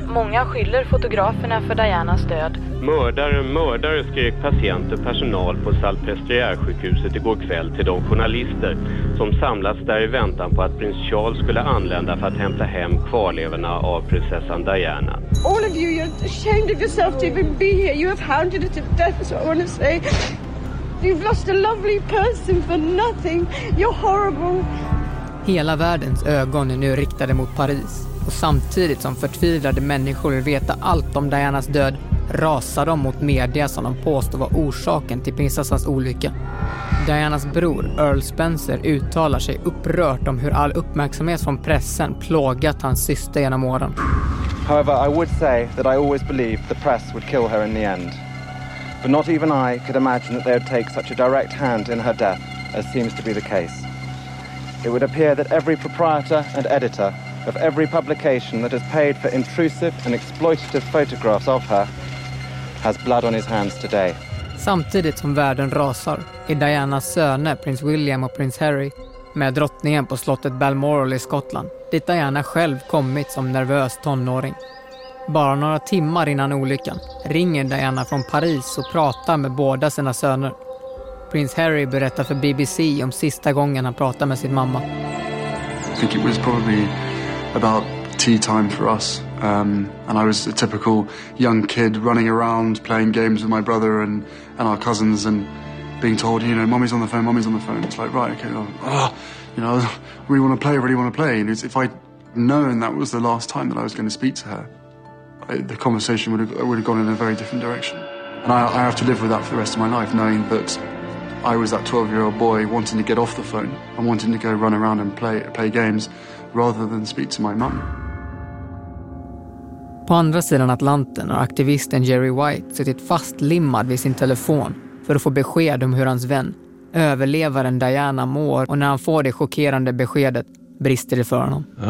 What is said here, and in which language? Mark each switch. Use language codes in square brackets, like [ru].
[sv] Många skyller fotograferna för Dianas död. Mördare, mördare, skrek patienter och personal på Salpestriärsjukhuset igår kväll till de journalister som samlats där i väntan på att prins Charles skulle anlända för att hämta hem kvarlevorna av prinsessan Diana. [en] All of you, you're ashamed of yourself to even be here. You have hounded her to death, is what I want to say. You've lost a lovely person for nothing. You're horrible. [sv] Hela världens ögon är nu riktade mot Paris. Och samtidigt som förtvivlade människor vill veta allt om Dianas död rasar de mot media som de påstår var orsaken till prinsessans olycka. Dianas bror Earl Spencer uttalar sig upprört om hur all uppmärksamhet från pressen plågat hans syster genom åren. [en] However, I would say that I always believed the press would kill her in the end. But not even I could imagine that they would take such a direct hand in her death as seems to be the case. It would appear that every proprietor and editor of every publication that has paid for intrusive and exploitative photographs of her has blood on his hands today. [sv] Samtidigt som världen rasar är Dianas söner, prins William och prins Harry, med drottningen på slottet Balmoral i Skottland, dit Diana själv kommit som nervös tonåring. Bara några timmar innan olyckan ringer Diana från Paris och pratar med båda sina söner. Prins Harry berättar för BBC om sista gången han pratade med sin mamma. [en] I think it was probably about tea time for us. And I was a typical young kid running around playing games with my brother and our cousins and being told, you know, mommy's on the phone, mommy's on the phone. It's like, right, okay. You know, I really want to play. And if I'd known that was the last time that I was going to speak to her, the conversation would have gone in a very different direction. And I have to live with that for the rest of my life, knowing that I was that 12-year-old boy wanting to get off the phone and wanting to go run around and play games rather than speak to my mum. [sv] På andra sidan Atlanten har aktivisten Jerry White suttit fastlimmad vid sin telefon för att få besked om hur hans vän, överlevaren Diana, mår, och när han får det chockerande beskedet brister det för honom.